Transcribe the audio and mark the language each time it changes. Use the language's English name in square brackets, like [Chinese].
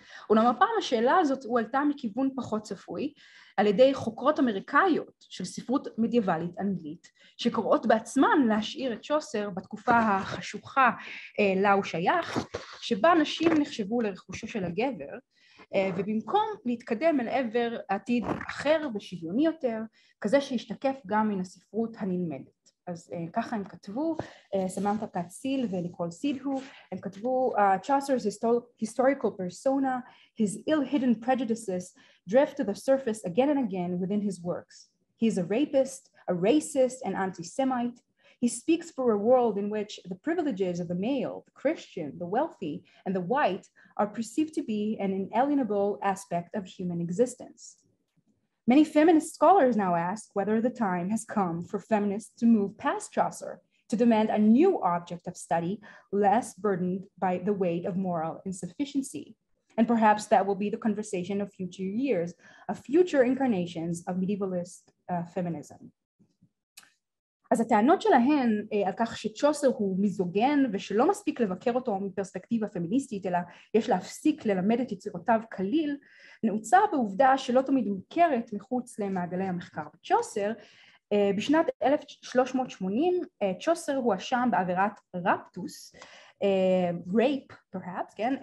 [Hebrew] אולם הפעם השאלה הזאת הועלתה מכיוון פחות צפוי, על ידי חוקרות אמריקאיות של ספרות מדיאבלית אנגלית, שקוראות בעצמן להשאיר את צ'וסר בתקופה החשוכה לה הוא שייך, שבה נשים נחשבו לרכושו של הגבר, ובמקום להתקדם אל עבר עתיד אחר ושוויוני יותר, כזה שישתקף גם מן הספרות הנלמדת. אז ככה הם כתבו, [English] סמנטה קאציל וניקול סידהו, הם כתבו, Chaucer's historical persona, his ill-hidden prejudices drift to the surface again and again within his works. He is a rapist, a racist, an anti-Semite. He speaks for a world in which the privileges of the male, the Christian, the wealthy, and the white are perceived to be an inalienable aspect of human existence. Many feminist scholars now ask whether the time has come for feminists to move past Chaucer, to demand a new object of study less burdened by the weight of moral insufficiency. And perhaps that will be the conversation of future years, of future incarnations of medievalist feminism. [Hebrew] אז הטענות שלהן על כך שצ'וסר הוא מיזוגן ושלא מספיק לבקר אותו מפרספקטיבה פמיניסטית, אלא יש להפסיק ללמד את יצירותיו כליל, נעוצה בעובדה שלא תמיד מוכרת מחוץ למעגלי המחקר בצ'וסר. בשנת 1380 צ'וסר הוא אשם בעבירת רפטוס, [English] rape perhaps, [Hebrew] כן?